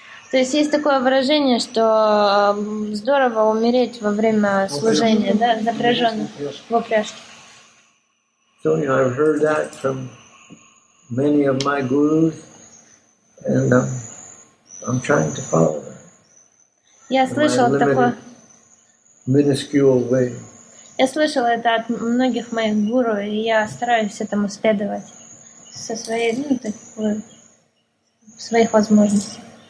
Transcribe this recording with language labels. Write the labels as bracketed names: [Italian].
[Russian] То есть есть такое выражение, что здорово умереть во время служения, да, запряженных в упряжке. [English] So, you know, I've heard that from many of my gurus, and I'm trying to follow. [Russian] Я слышала это от многих моих гуру, и я стараюсь этому следовать со своей, ну, такой, своих возможностей.